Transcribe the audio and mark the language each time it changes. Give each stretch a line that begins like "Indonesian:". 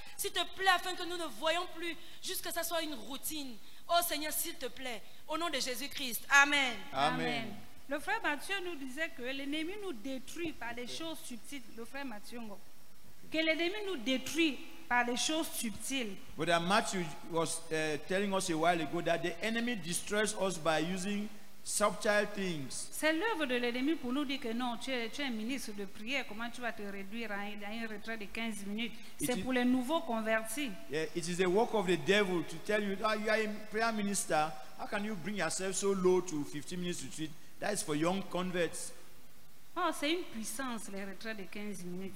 French: S'il te plaît, afin que nous ne voyons plus juste que ça soit une routine. Oh Seigneur, s'il te plaît, au nom de Jésus-Christ, amen. Amen. Le frère Mathieu nous disait que l'ennemi nous détruit par des choses subtiles. Le frère Mathieu, que l'ennemi nous détruit par des choses subtiles.
English: Brother Matthew was telling us a while ago that the enemy destroys us by using subtle things.
French: C'est l'œuvre de l'ennemi pour nous dire que non, tu es un ministre de prière, comment tu vas te réduire à un retrait de 15 minutes? C'est pour les nouveaux convertis.
English: Yeah, it is the work of the devil to tell you, oh, you are a prayer minister, how can you bring yourself so low to 15 minutes retreat? That is for young converts.
French: Oh, c'est une puissance, les retraits de 15 minutes.